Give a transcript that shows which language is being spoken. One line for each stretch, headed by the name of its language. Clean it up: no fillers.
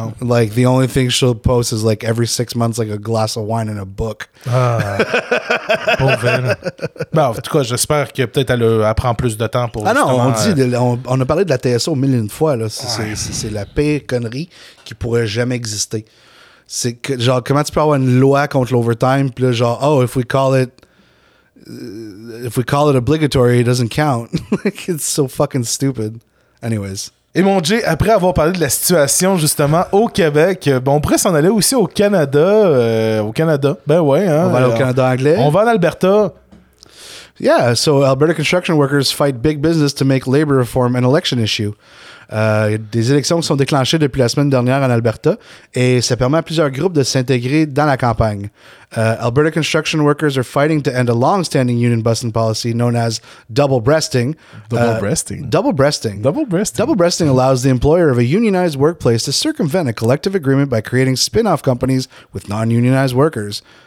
English: Like, the only thing she'll post is like every 6 months, like a glass of wine and a book.
French: Pauvre. Ben, en tout cas, j'espère que peut-être elle prend plus de temps pour. Ah non, on a parlé de la TSO mille une fois. Là. C'est la pire connerie qui pourrait jamais exister. C'est que, genre, comment tu peux avoir une loi contre l'overtime? Puis là, genre,
English: oh, if we call it obligatory, it doesn't count. Like, it's so fucking stupid. Anyways.
French: Et mon Jay, après avoir parlé de la situation justement au Québec, bon, on pourrait s'en aller aussi au Canada. Ben ouais. Hein, on va aller au Canada anglais. On va en Alberta.
English: Yeah, so Alberta construction workers fight big business to make labor reform an election issue.
French: Des élections sont déclenchées depuis la semaine dernière en Alberta et ça permet à plusieurs groupes de s'intégrer dans la campagne.
English: Alberta construction workers are fighting to end a long-standing union busing policy known as double-breasting. Double-breasting allows the employer of a unionized workplace to circumvent a collective agreement by creating spin-off companies with non-unionized workers.